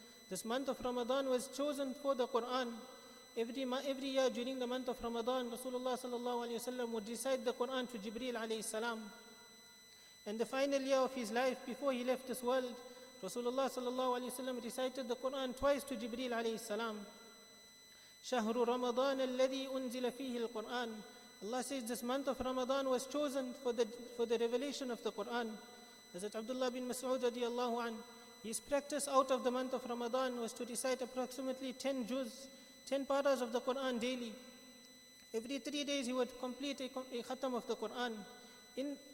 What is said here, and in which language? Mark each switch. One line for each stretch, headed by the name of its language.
English: This month of Ramadan was chosen for the Quran. Every year during the month of Ramadan, Rasulullah sallallahu alayhi wa sallam would recite the Quran to Jibreel alayhi salam. And the final year of his life before he left this world, Rasulullah sallallahu alayhi wa sallam recited the Quran twice to Jibreel alayhi salam.
Arabic: شهر رمضان الذي أنزل فيه القرآن.
English: Allah says this month of Ramadan was chosen for the revelation of the Quran. Hazrat Abdullah bin Mas'ud radiallahu anh, his practice out of the month of Ramadan was to recite approximately 10 juz, 10 paras of the Quran daily. Every 3 days he would complete a khatam of the Quran. In